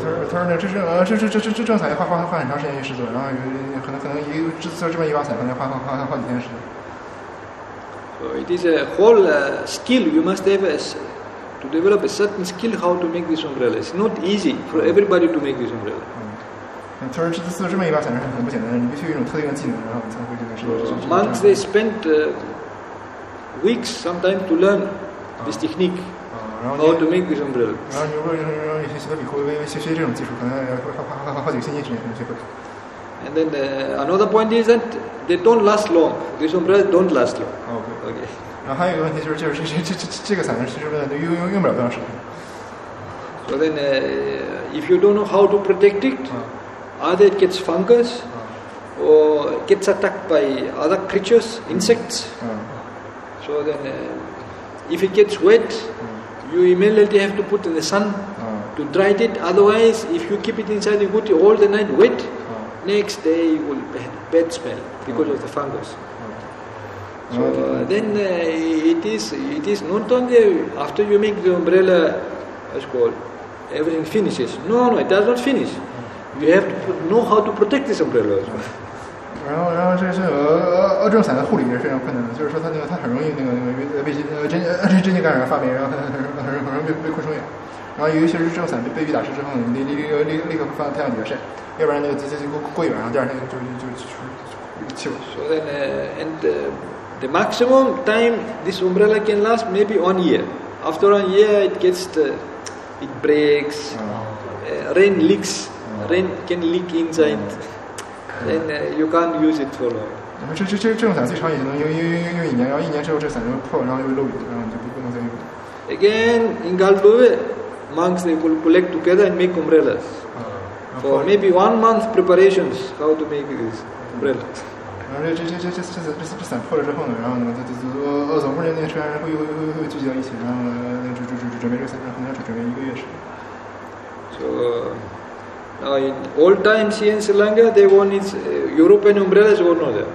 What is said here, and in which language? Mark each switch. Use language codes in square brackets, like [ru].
[zh] 他说这种伞要花很长时间去制作，然后可能一制作这么一把伞，可能花几天时间。 [en] So it is a whole skill. You must have to develop a certain skill how to make this umbrella. It's not easy for everybody to make this umbrella. [zh] 他说制作这么一把伞是很不简单，你必须有一种特定的技能，然后你才会这个事。 [en] Monks they spent weeks sometimes to learn this technique. How to make this umbrella? [zh] 然后你学的比库学这种技术，可能要好几个星期时间才能学会。 [en] And then another point is that they don't last long. These umbrellas don't last long. Okay. [zh] 然后还有一个问题就是这个伞是不是用不了多长时间 [en] ？So then, if you don't know how to protect it, either it gets fungus, or gets attacked by other creatures, insects. So then, if it gets wet. You immediately have to put in the sun to dry it. Otherwise, if you keep it inside the booty all the night wet, next day you will have bad smell because of the fungus. So it is not only after you make the umbrella, as called, everything finishes. No, it does not finish. You have to know how to protect this umbrella as well. [zh] 然后这种伞的护理也是非常困难的，就是说它很容易被真菌感染发霉，然后很容易被昆虫咬。然后尤其是这种伞被雨打湿之后，立刻放太阳底下晒，要不然那个过一晚上，第二天就气味。 [en] So then, and the maximum time this umbrella can last maybe 1 year. After 1 year, it breaks. Rain leaks. Rain can leak inside. Then you can't use it for long. [zh] 这种伞最长也能用一年，然后一年之后这伞就破，然后又漏雨，然后就不能再用了。 [en] Again, in Galdove, monks they will collect together and make umbrellas. For maybe 1 month preparations, how to make this umbrella. [zh] 然后这伞破了之后呢，然后呢，总部人那群人会聚集到一起，然后就准备这个伞，然后可能要准备一个月时间。 [en] So. In old times here in Sri Lanka, they won its European umbrellas were not there.